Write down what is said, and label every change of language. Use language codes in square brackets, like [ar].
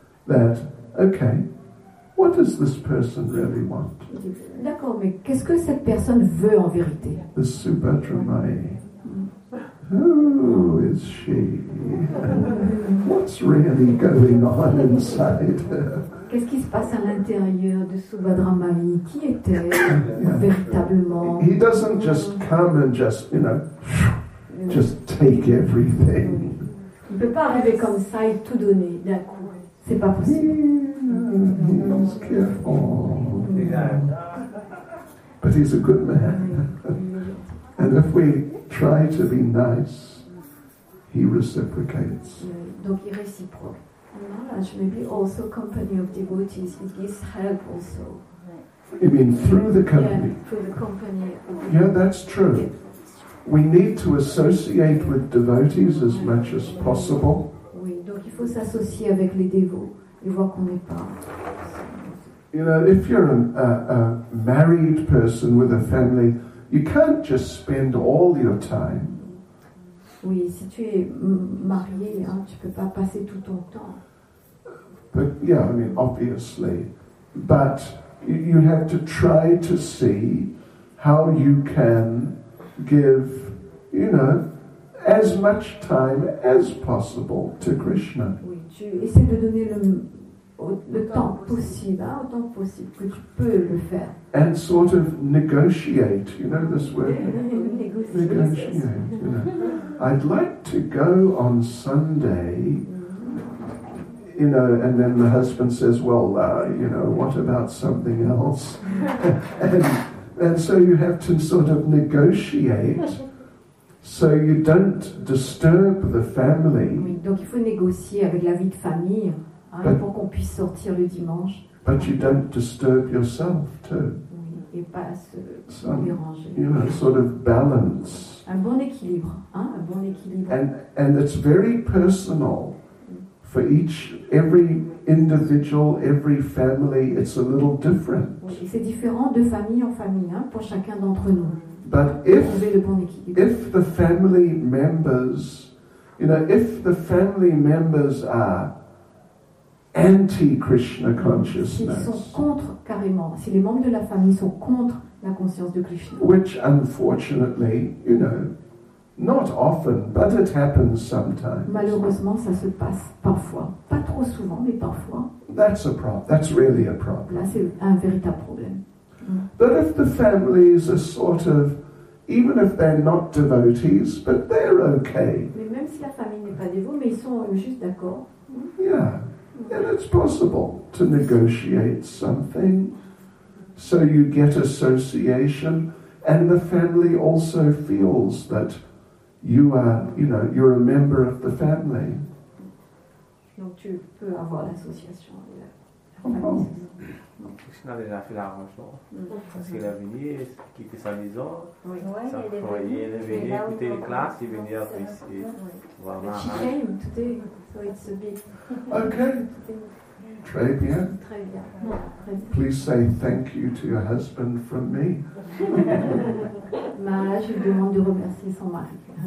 [en] That, okay, what does this person really want? [fr] D'accord, mais qu'est-ce que cette personne veut en vérité? [en] The Subhadra Mai. Who is she? What's really going on inside her? [fr] Qu'est-ce qui se passe à l'intérieur de Subhadra Mai? Qui est-elle véritablement? [en] He doesn't just come and just, just take everything. [fr] Il ne peut pas arriver comme ça et tout donner d'un coup. C'est pas possible. [en] He's careful. But he's a good man. And if we try to be nice, he reciprocates. [fr] Donc il réciproque. Je [en] may be also company of devotees. He gives help also. You mean through the company? Yeah, through the company. Yeah, that's true. We need to associate with devotees as much as possible. [fr] Oui, donc il faut s'associer avec les dévots et voir qu'on n'est pas. [en] If you're a married person with a family, you can't just spend all your time. [fr] Oui, si tu es marié, tu peux pas passer tout ton temps. [en] But yeah, obviously, but you have to try to see how you can give, as much time as possible to Krishna. [fr] Oui, tu essaies de donner le temps possible, autant que possible, que tu peux le faire. [en] And sort of negotiate, this word. negotiate. I'd like to go on Sunday, and then the husband says, what about something else? And so you have to sort of negotiate so you don't disturb the family. [fr] Oui, donc il faut négocier avec la vie de famille pour qu'on puisse sortir le dimanche. [en] But you don't disturb yourself too. [fr] Oui, et pas se déranger. [en] Sort of balance. [fr] Un bon équilibre. [en] And it's very personal For each, every individual, every family, it's a little different. [fr] Oui, c'est différent de famille en famille, hein, pour chacun d'entre nous. [en] But if the family members, you know, if the family members are anti-Krishna consciousness, [fr] s'ils sont contre carrément, si les membres de la famille sont contre la conscience de Krishna, [en] which unfortunately, you know, not often, but it happens sometimes. [fr] Malheureusement, ça se passe parfois. Pas trop souvent, mais parfois. [en] That's a problem. That's really a problem. [fr] Là, c'est un véritable problème. [en] But if the family is a sort of, even if they're not devotees, but they're okay. [fr] Mais même si la famille n'est pas dévot, mais ils sont juste d'accord. [en] Yeah, it's possible to negotiate something. So you get association, and the family also feels that you are, you know, you're a member of the family. [fr] Donc tu peux avoir l'association. Krishna a déjà fait l'arrangement. Parce qu'il est venu quitter sa maison. Oui, il est venu. Il est venu écouter les classes, il est venu après ici. [en] She came, [fr] tout est. [en] So it's a bit. Okay. [fr] Très bien. Très bien. [en] Please say thank you to your husband from me. [fr] Ma, je lui demande de remercier son mari.